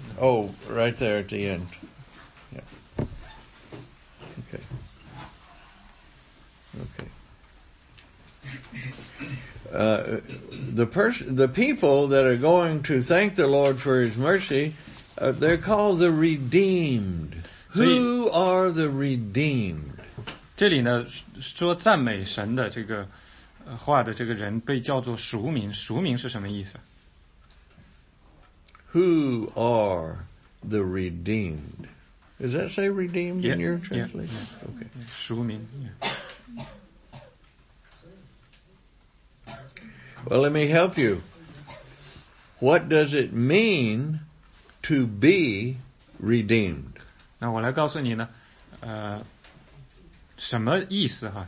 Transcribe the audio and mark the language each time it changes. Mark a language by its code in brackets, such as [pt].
[en] Oh, right there at the end. Yeah. Okay. Okay. The people that are going to thank the Lord for his mercy, they're called the redeemed. Who are the redeemed? [zh] 这里呢说赞美神的这个话的这个人被叫做赎民，赎民是什么意思？ [en] Who are the redeemed? Does that say redeemed in your translation? Yeah. Okay. [zh] 赎民、 [en] Well, let me help you. What does it mean to be redeemed? [zh] 那我来告诉你呢什么意思哈？